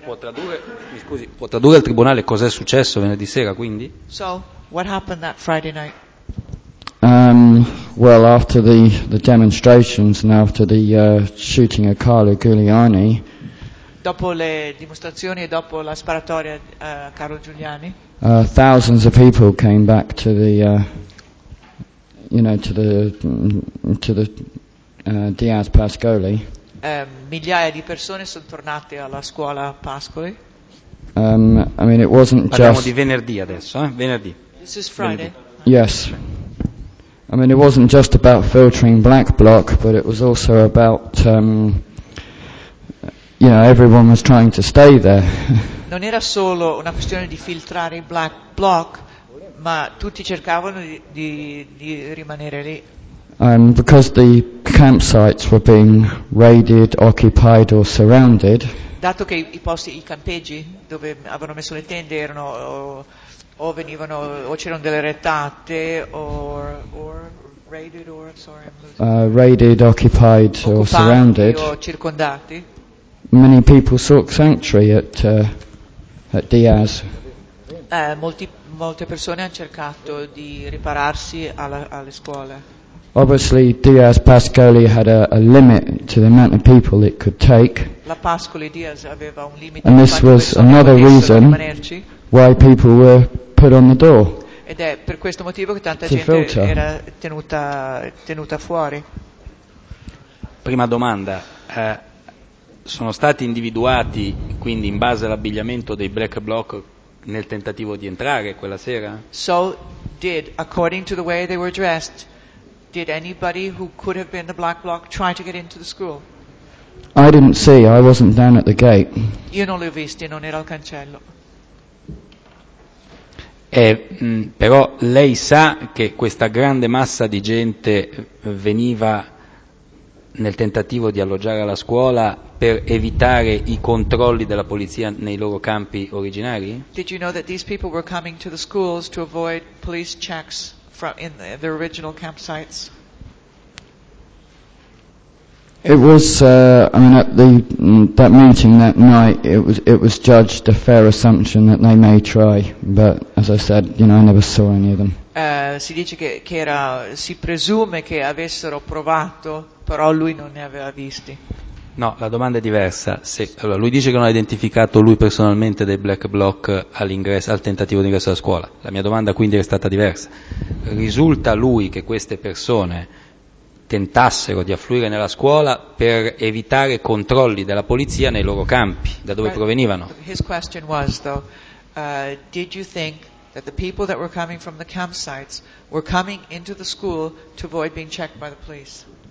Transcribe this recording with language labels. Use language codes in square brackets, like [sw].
[it] Può tradurre al tribunale cosa è successo venerdì sera, quindi? [en] So, what happened that Friday night? Well, after the demonstrations and after the shooting of Carlo Giuliani. [it] Dopo le dimostrazioni e dopo la sparatoria a Carlo Giuliani. [en] Thousands of people came back to the, Diaz Pascoli. [it] Migliaia di persone sono tornate alla scuola Pascoli. [en] It wasn't just. [it] Parliamo di venerdì adesso, venerdì. [en] This is Friday. Venerdì. Yes. I mean, it wasn't just about filtering Black Bloc, but it was also about, everyone was trying to stay there. [it] Non era solo una questione di filtrare i Black Bloc, ma tutti cercavano di rimanere lì. [en] Because the campsites were being raided, occupied or surrounded. [it] Dato che i posti, i campeggi dove avevano messo le tende erano o venivano o c'erano delle rettate [en] or raided or sorry. Raided, occupied or surrounded. [it] O circondati. [en] Many people sought sanctuary at Diaz. [it] Molte persone hanno cercato di ripararsi alle scuole. [en] Obviously, Diaz Pascoli had a limit to the amount of people it could take. [it] La Pascoli Diaz aveva un limite. [en] And this was another reason why people were put on the door. [it] Ed è per questo motivo che tanta gente filter. Era tenuta fuori. Prima domanda. Sono stati individuati, quindi, in base all'abbigliamento dei Black Bloc nel tentativo di entrare quella sera? [en] So, did, according to the way they were dressed, did anybody who could have been the Black Bloc try to get into the school? I didn't see, I wasn't down at the gate. [it] Io non li ho visti, non ero al cancello. Però lei sa che questa grande massa di gente veniva nel tentativo di alloggiare alla scuola per evitare i controlli della polizia nei loro campi originari? [en] Did you know that these people were coming to the schools to avoid police checks in their original campsites? It was, at that meeting that night, it was judged a fair assumption that they may try, but as I said, you know, I never saw any of them. [it] Si dice che era, si presume che avessero provato, però lui non ne aveva visti. No, la domanda è diversa. Se, allora, lui dice che non ha identificato lui personalmente dei Black Bloc all'ingresso, al tentativo di ingresso alla scuola. La mia domanda quindi è stata diversa. Risulta lui che queste persone tentassero di affluire nella scuola per evitare controlli della polizia nei loro campi, da dove provenivano? [en] His question was though, did you think that the people that were coming from the campsites were coming into the school to avoid being checked by the police?